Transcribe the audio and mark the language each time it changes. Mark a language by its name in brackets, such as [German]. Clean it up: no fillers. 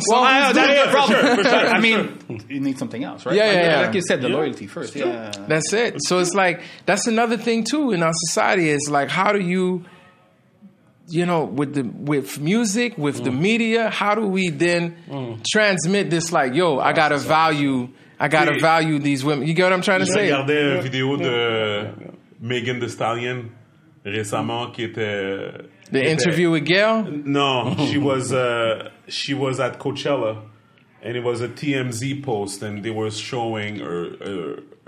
[English] Some dudes do, for sure. I mean, you need something else, right? Yeah. Like you said, the loyalty first. That's it. So it's like, that's another thing too in our society. Is like how do you, you know, with music, with the media, how do we then transmit this? Like, yo, I gotta value, value these women. You get what I'm trying to say? [French] J'ai regardé une vidéo de Megan Thee Stallion récemment qui était [English] the interview with Gail. No, she was at Coachella, and it was a TMZ post, and they were showing her.